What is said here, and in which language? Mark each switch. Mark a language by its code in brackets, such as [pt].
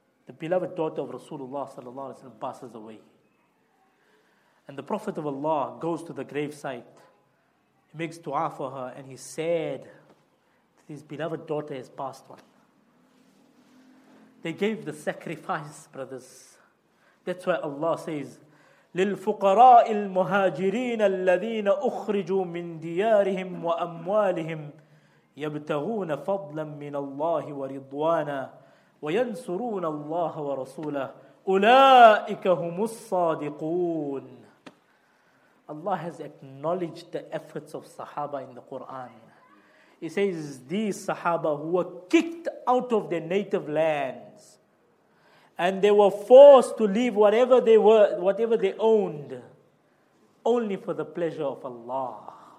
[en] the beloved daughter of Rasulullah sallallahu alaihi wasallam passes away. And the Prophet of Allah goes to the gravesite. He makes dua for her and he said that his beloved daughter has passed on. They gave the sacrifice, brothers. That's why Allah says, [ar] لِلْفُقَرَاءِ الْمُهَاجِرِينَ الَّذِينَ أُخْرِجُوا مِنْ دِيَارِهِمْ وَأَمْوَالِهِمْ يَبْتَغُونَ فَضْلًا مِنَ اللَّهِ وَرِضْوَانًا وَيَنْصُرُونَ اللَّهَ وَرَسُولَهُ أُولَٰئِكَ هُمُ الصَّادِقُونَ. [en] Allah has acknowledged the efforts of Sahaba in the Quran. He says, these Sahaba who were kicked out of their native lands and they were forced to leave whatever they were, whatever they owned, only for the pleasure of Allah.